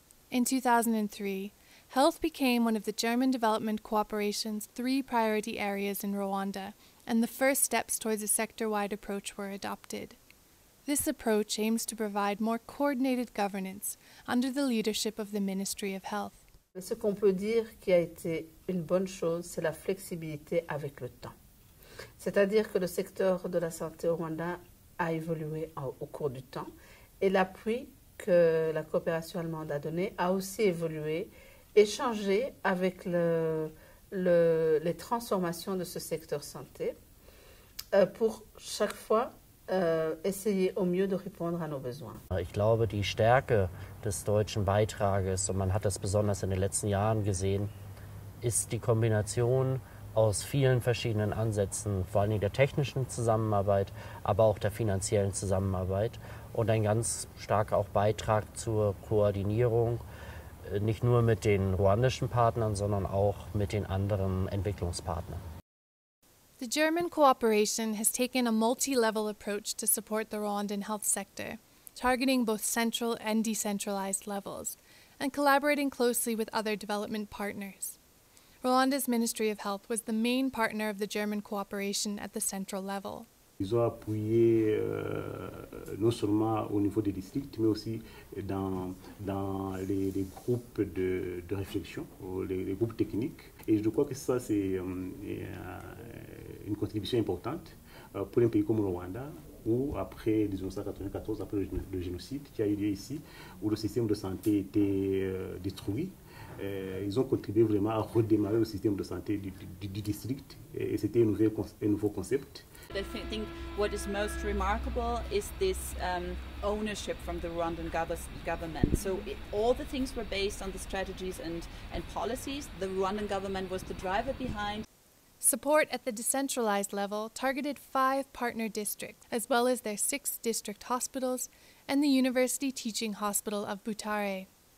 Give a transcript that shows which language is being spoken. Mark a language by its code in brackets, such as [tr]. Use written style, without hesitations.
[en] In 2003, health became one of the German Development Cooperation's three priority areas in Rwanda, and the first steps towards a sector-wide approach were adopted. This approach aims to provide more coordinated governance under the leadership of the Ministry of Health. [fr] Ce qu'on peut dire qui a été une bonne chose, c'est la flexibilité avec le temps. C'est-à-dire que le secteur de la santé au Rwanda a évolué au cours du temps, et l'appui que la coopération allemande a donné a aussi évolué et changé avec les transformations de ce secteur santé pour chaque fois essayer au mieux de répondre à nos besoins. [de] Ich glaube, die Stärke des deutschen Beitrages, und man hat das besonders in den letzten Jahren gesehen, ist die Kombination aus vielen verschiedenen Ansätzen, vor allen Dingen der technischen Zusammenarbeit, aber auch der finanziellen Zusammenarbeit und ein ganz starker auch Beitrag zur Koordinierung, nicht nur mit den ruandischen Partnern, sondern auch mit den anderen Entwicklungspartnern. [en] The German cooperation has taken a multi-level approach to support the Rwandan health sector, targeting both central and decentralized levels, and collaborating closely with other development partners. Rwanda's Ministry of Health was the main partner of the German cooperation at the central level. [fr] Ils ont appuyé non seulement au niveau des districts, mais aussi dans les groupes de réflexion, les groupes techniques. Et je crois que ça, c'est une contribution importante pour un pays comme le Rwanda, où après 1994, après le génocide qui a eu lieu ici, où le système de santé était détruit, ils ont contribué vraiment à redémarrer le système de santé du district et c'était un nouveau concept. [en] I think what is most remarkable is this ownership from the Rwandan government. So all the things were based on the strategies and policies. The Rwandan government was the driver behind. Support at the decentralized level targeted 5 partner districts, as well as their 6 district hospitals and the University Teaching Hospital of Butare.